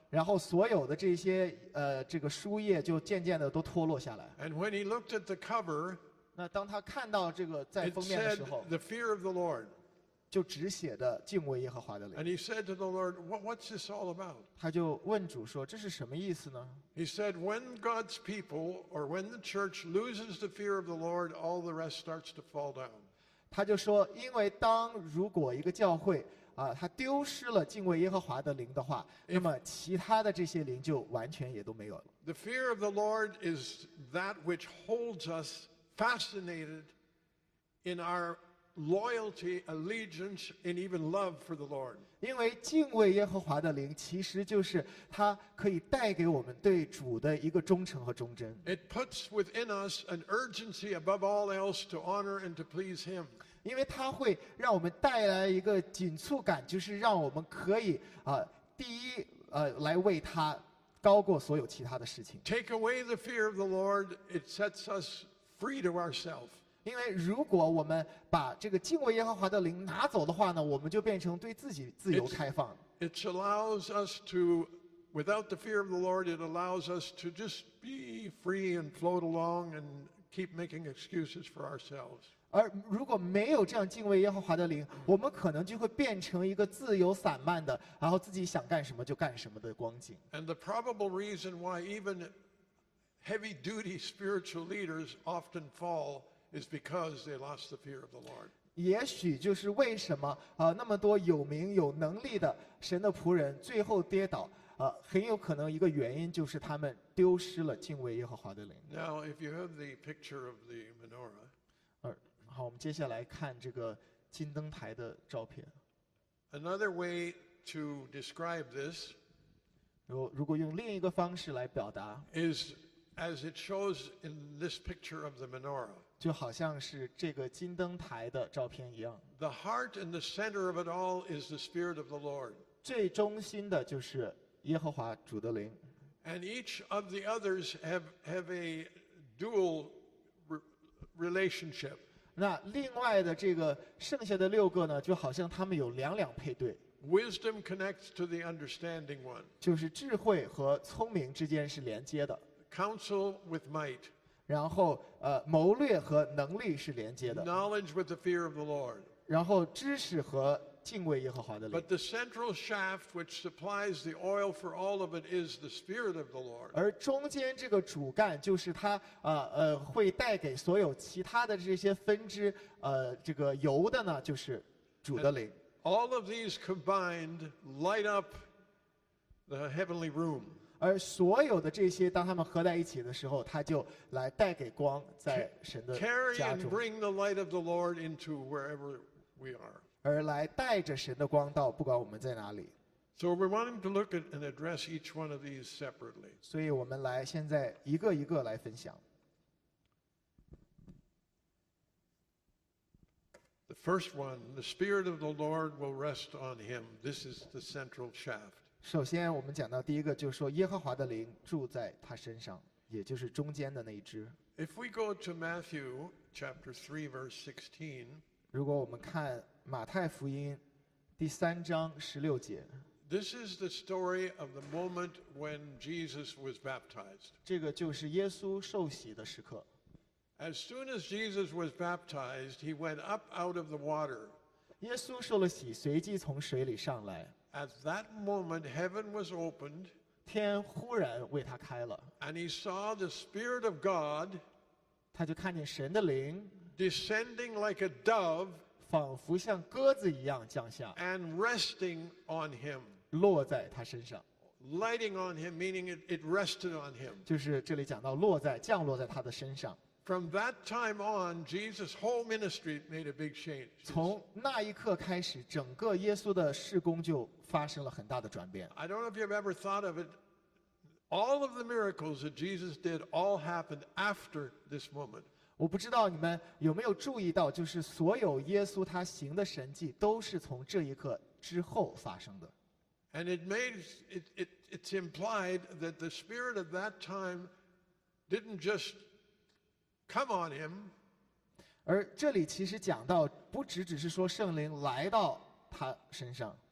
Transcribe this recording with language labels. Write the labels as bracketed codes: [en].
[zh] 然后所有的这些这个书页就渐渐的都脱落下来。 [en] And when he looked at the cover, [zh] 那当他看到这个在封面的时候 [en] the fear of the Lord, [zh] 就只写的敬畏耶和华的灵。 [en] And he said to the Lord, "What's this all about?" [zh] 他就问主说，这是什么意思呢？ [en] He said, "When God's people or when the church loses the fear of the Lord, all the rest starts to fall down." [zh] 他就说，因为当如果一个教会啊，他丢失了敬畏耶和华的灵的话，那么其他的这些灵就完全也都没有了。 [en] The fear of the Lord is that which holds us fascinated in our loyalty, allegiance, and even love for the Lord. [zh] 因为敬畏耶和华的灵其实就是它可以带给我们对主的一个忠诚和忠贞。 [en] It puts within us an urgency above all else to honor and to please Him. [zh] 因为它会让我们带来一个紧促感，就是让我们可以第一来为他高过所有其他的事情。 [en] Take away the fear of the Lord, it sets us free to ourselves. [zh] 因为如果我们把这个敬畏耶和华的灵拿走的话呢，我们就变成对自己自由开放。 [en] It allows us to, without the fear of the Lord, it allows us to just be free and float along and keep making excuses for ourselves. [zh] 而如果没有这样敬畏耶和华的灵，我们可能就会变成一个自由散漫的，然后自己想干什么就干什么的光景。 [en] And the probable reason why even heavy-duty spiritual leaders often fall. Is because they lost the fear of the Lord. [zh] 也许就是为什么那么多有名有能力的神的仆人最后跌倒很有可能一个原因就是他们丢失了敬畏耶和华的灵。 [en] Now, if you have the picture of the menorah, [zh] 好，我们接下来看这个金灯台的照片。 [en] Another way to describe this, [zh] 如果用另一个方式来表达 [en] is as it shows in this picture of the menorah. [zh] 就好像是这个金灯台的照片一样。 [en] The heart and the center of it all is the Spirit of the Lord. [zh] 最中心的就是耶和华主的灵。 [en] And each of the others have a dual relationship. [zh] 那另外的这个剩下的六个呢，就好像他们有两两配对。 [en] Wisdom connects to the understanding one. [zh] 就是智慧和聪明之间是连接的。 [en] Counsel with might. [zh] 然后谋略和能力是连接的。 [en] Knowledge with the fear of the Lord. [zh] 然后知识和敬畏耶和华的灵。 [en] But the central shaft which supplies the oil for all of it is the Spirit of the Lord. [zh] 而中间这个主干就是它会带给所有其他的这些分支这个油的呢就是主的灵。 [en] And、all of these combined light up the heavenly room. [zh] 而所有的这些当他们合在一起的时候他就来带给光在神的家中 [en] carry and bring the light of the Lord into wherever we are [zh] 而来带着神的光到不管我们在哪里 [en] so we want him to look at and address each one of these separately [zh] 所以我们来现在一个一个来分享 [en] the first one the Spirit of the Lord will rest on him this is the central shaft [zh] 首先我们讲到第一个就是说耶和华的灵住在他身上也就是中间的那一支 [en] If we go to Matthew chapter 3 verse 16 [zh] 如果我们看马太福音第三章十六节 [en] This is the story of the moment when Jesus was baptized [zh] 这个就是耶稣受洗的时刻 [en] As soon as Jesus was baptized he went up out of the water [zh] 耶稣受了洗随即从水里上来 [en] At that moment, heaven was opened, [zh] 天忽然为他开了 [en] and he saw the Spirit of God, [zh] 他就看见神的灵 [en] descending like a dove, [zh] 仿佛像鸽子一样降下 [en] and resting on him, [zh] 落在他身上 [en] lighting on him, meaning it rested on him, [zh] 就是这里讲到落在降落在他的身上 [en] From that time on, Jesus' whole ministry made a big change. [zh] 从那一刻开始，整个耶稣的事工就发生了很大的转变。 [en] I don't know if you've ever thought of it. All of the miracles that Jesus did all happened after this moment. [zh] 我不知道你们有没有注意到，就是所有耶稣他行的神迹都是从这一刻之后发生的。 [en] And it made it's implied that the Spirit of that time didn't just Come on him. [zh] 而这里其实讲到不只只是说圣灵来到他身上